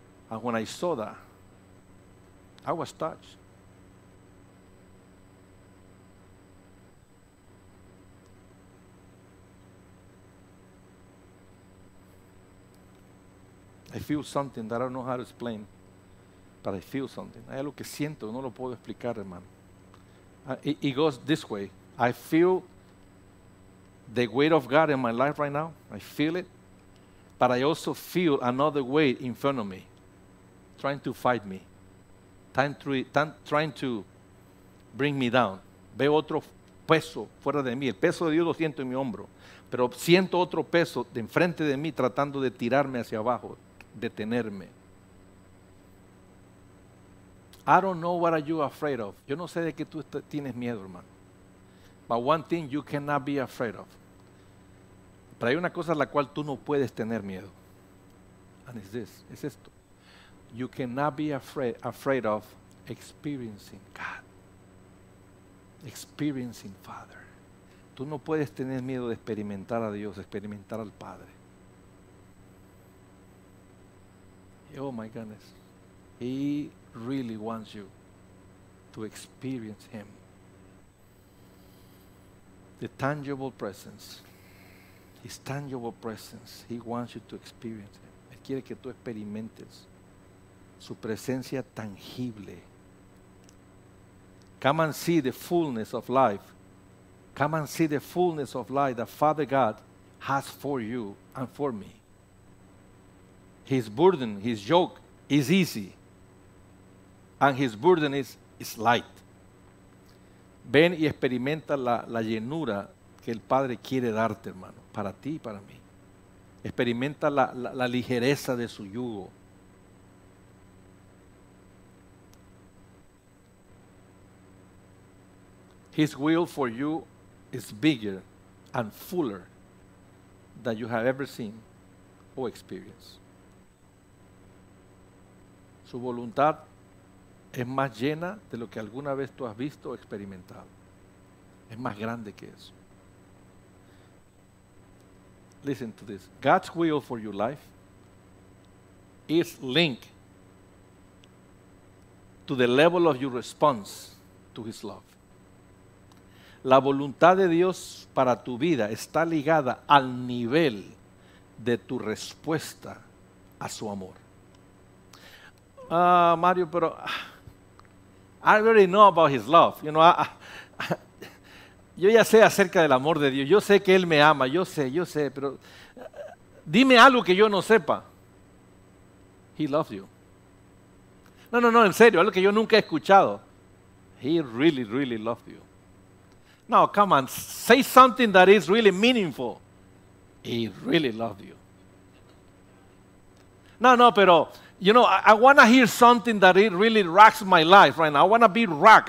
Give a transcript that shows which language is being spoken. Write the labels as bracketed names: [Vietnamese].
[English] And when I saw that, I was touched. I feel something that I don't know how to explain, but I feel something. [Spanish] Hay algo que siento, no lo puedo explicar, hermano. [English] It goes this way. I feel the weight of God in my life right now. I feel it. But I also feel another weight in front of me, trying to fight me, trying to bring me down. [Spanish] Veo otro peso fuera de mí. El peso de Dios lo siento en mi hombro. Pero siento otro peso de enfrente de mí tratando de tirarme hacia abajo, detenerme. [English] I don't know what are you afraid of. [Spanish] Yo no sé de qué tú tienes miedo, hermano. [English] But one thing you cannot be afraid of. [Spanish] Pero hay una cosa a la cual tú no puedes tener miedo. [English] And it's this. [Spanish] Es esto. [English] You cannot be afraid of experiencing God. Experiencing Father. [Spanish] Tú no puedes tener miedo de experimentar a Dios, experimentar al Padre. [English] Oh my goodness. He really wants you to experience him. The tangible presence. His tangible presence. He wants you to experience it. [Spanish] Él quiere que tú experimentes su presencia tangible. [English] Come and see the fullness of life. Come and see the fullness of life that Father God has for you and for me. His burden, his yoke is easy. And his burden is light. [Spanish] Ven y experimenta la llenura que el Padre quiere darte, hermano, para ti y para mí. Experimenta la ligereza de su yugo. [English] His will for you is bigger and fuller than you have ever seen or experienced. [Spanish] Su voluntad es más llena de lo que alguna vez tú has visto o experimentado. Es más grande que eso. [English] Listen to this. God's will for your life is linked to the level of your response to His love. [Spanish] La voluntad de Dios para tu vida está ligada al nivel de tu respuesta a su amor. [English] Mario, pero I already know about His love. You know, [Spanish] yo ya sé acerca del amor de Dios. Yo sé que Él me ama. Yo sé. Pero dime algo que yo no sepa. [English] He loves you. [Spanish] No, en serio, algo que yo nunca he escuchado. [English] He really, really loves you. No, come on, say something that is really meaningful. He really loves you. No, pero, you know, I want to hear something that it really rocks my life right now. I want to be rocked.